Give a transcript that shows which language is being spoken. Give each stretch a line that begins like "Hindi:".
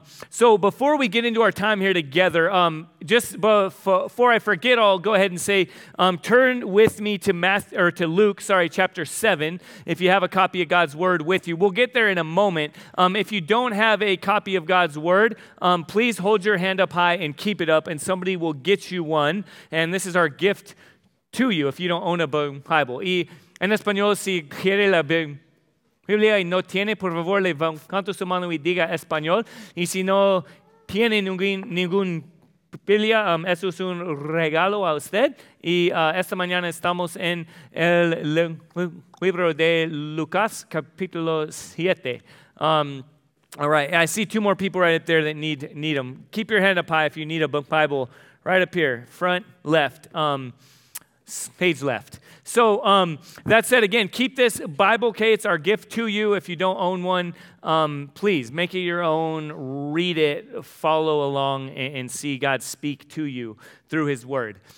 English: So before we get into our time here together, before I forget, I'll go ahead and say, turn with me to chapter 7, if you have a copy of God's Word with you. We'll get there in a moment. If you don't have a copy of God's Word, please hold your hand up high and keep it up, and somebody will get you one. And this is our gift to you if you don't own a Bible.
Spanish: Y en español, si quiere la Biblia, Biblia y no tiene, por favor, levanta su mano y diga español. Y si no tiene ningún Biblia, eso es un regalo a usted. Y esta mañana estamos en el libro de Lucas, capítulo 7.
English: All right, I see two more people right up there that need them. Keep your hand up high if you need a Bible right up here, front left, page left. So that said, again, keep this Bible case, our gift to you. If you don't own one, please make it your own, read it, follow along, and see God speak to you through his word.